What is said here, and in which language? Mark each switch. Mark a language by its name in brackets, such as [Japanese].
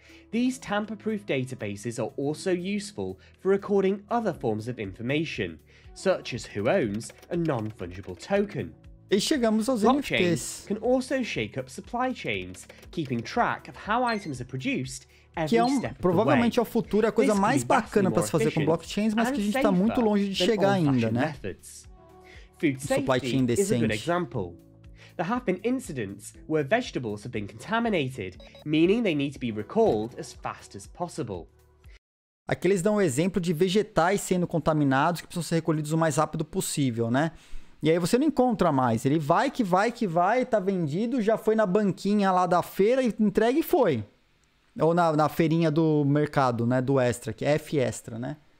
[English] These tamper-proof databases are also useful for recording other forms of information, such as who owns a non-fungible token. [Portuguese] E chegamos aos NFTs. [English] Blockchains can also shake up supply chains, keeping track of how items are produced every step of the way. [Portuguese] Provavelmente é o futuro, a coisa mais bacana para se fazer com blockchains, mas que a gente está muito longe de chegar ainda, né? [English] Food safety is a good example. There have been incidents where vegetables have been contaminated, meaning they need to be recalled as fast as possible. [Portuguese] Aqui eles dão um exemplo de vegetais sendo contaminados que precisam ser recolhidos o mais rápido possível, né? E aí você não encontra mais, ele vai, tá vendido, já foi na banquinha lá da feira, entregue e foi. Ou na feirinha do mercado, né, do Extra, que é F Extra, né?